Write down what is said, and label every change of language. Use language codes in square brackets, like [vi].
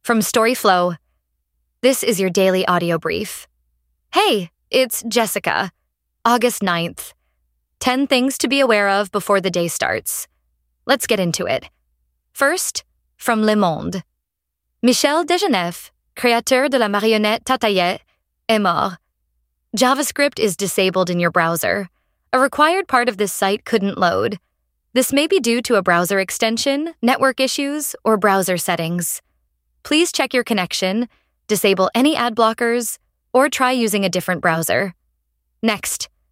[en] From Storyflow, this is your daily audio brief. Hey, it's Jessica. August 9th. 10 things to be aware of before the day starts. Let's get into it. First, from Le Monde. [fr] Michel Desgenefs, créateur de la marionnette Tataillette, est mort. [en] JavaScript is disabled in your browser. A required part of this site couldn't load. This may be due to a browser extension, network issues, or browser settings. Please check your connection, disable any ad blockers, or try using a different browser. Next.